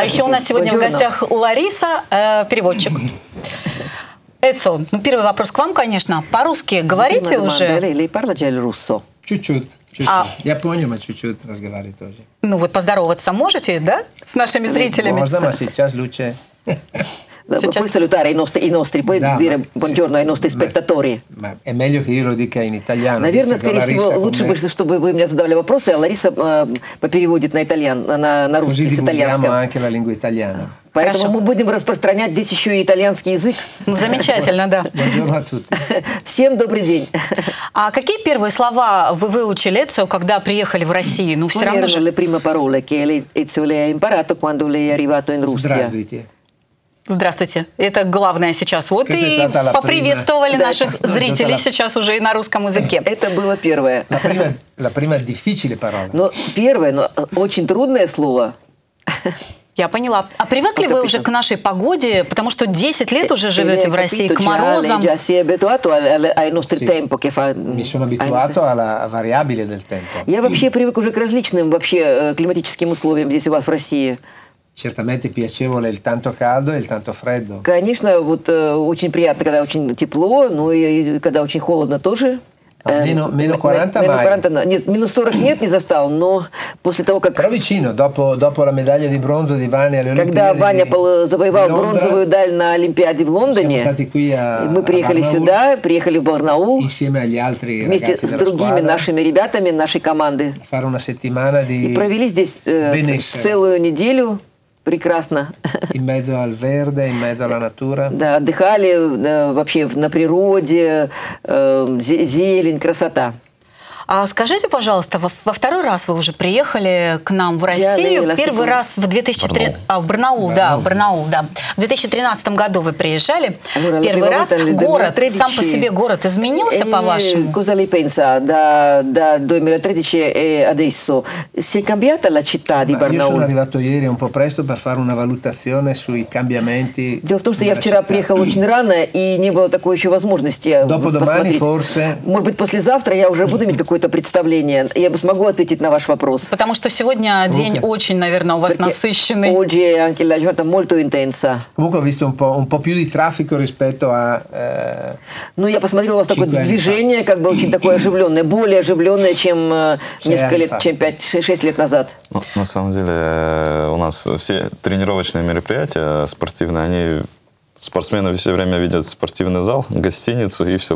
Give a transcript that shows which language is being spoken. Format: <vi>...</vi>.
<ru>А еще у нас сегодня в гостях Лариса, переводчик. Эцио, ну первый вопрос к вам, конечно. По-русски говорите уже? Чуть-чуть. Я понимаю, чуть-чуть разговариваю тоже. Ну вот поздороваться можете, да, с нашими зрителями? Можно, а сейчас лучше.</ru> <it>Puoi salutare i nostri, puoi dire buongiorno ai nostri spettatori. Ma è meglio che io lo dica in italiano.</it> <ru>Наверное, скорее всего, лучше бы, чтобы вы мне задавали вопросы, а Лариса попереводит на итальянский, на русский с итальянского.</ru> <it>Così diffondiamo anche la lingua italiana.</it> <ru>Поэтому мы будем распространять здесь еще и итальянский язык. Ну, замечательно, да.</ru> <it>Buongiorno a tutti.</it> <ru>Всем добрый день. А какие первые слова вы выучили, Эцио, когда приехали в Россию? Ну, все равно же...</ru> <it>Le prime parole che Эцио lei ha imparato quando lei è arrivato in Russia.</it> <ru>Здравствуйте. Это главное сейчас. Вот и поприветствовали наших зрителей сейчас уже и на русском языке. Это было первое.</ru> <it>La prima difficile parola.</it> <ru>Но первое, но очень трудное слово. Я поняла. А привыкли вы уже к нашей погоде, потому что 10 лет уже живете в России, к морозам?</ru> <it>Già sei abituato al nostro tempo che fa. Mi sono abituato alla variabile del tempo.</it> <ru>Я вообще привык уже к различным вообще климатическим условиям здесь у вас в России.</ru> <it>Certamente piacevole il tanto caldo e il tanto freddo.</it> <ru>Конечно, вот очень приятно, когда очень тепло, ну и когда очень холодно тоже. Минус 40 нет, не застал, но после того, как...</ru> <it>Però vicino, dopo la medaglia di bronzo di Vania alle Olimpiadi.</it> <ru>Когда Ваня завоевал бронзовую даль на Олимпиаде в Лондоне, мы приехали сюда, приехали в Барнаул,</ru> <it>insieme agli altri</it> <ru>вместе с другими нашими ребятами, нашей команды.</ru> <it>Fare una settimana di</it> <ru>и провели здесь целую неделю. Прекрасно.</ru> <it>In mezzo al verde, in mezzo alla natura.</it> <ru>Да, отдыхали вообще на природе, зелень, красота. А скажите, пожалуйста, во второй раз вы уже приехали к нам в Россию. Первый раз в 2013... В Барнаул. В 2013 году вы приезжали. Первый раз. Город, сам по себе город изменился, по-вашему?</ru> <it>Cosa lei pensa da 2013 e adesso? Si è cambiata la città di Barnaul? Io sono arrivato ieri un po' presto per fare una valutazione sui cambiamenti.</it> <ru>Дело в том, что я вчера приехал очень рано, и не было такой еще возможности посмотреть. Допомогу, forse. Может быть, послезавтра я уже буду иметь какое-то представление, я бы смогу ответить на ваш вопрос. Потому что сегодня день очень, наверное, у вас насыщенный.</ru> <it>Oggi anche la giornata molto intensa. Comunque ho visto un po' più di traffico rispetto a.</it> <ru>Ну, я посмотрел, у вас такое движение, как бы очень такое оживленное, более оживленное, чем несколько лет, чем 5-6 лет назад. На самом деле, у нас все тренировочные мероприятия спортивные, они. Спортсмены все время видят спортивный зал, гостиницу и все.</ru>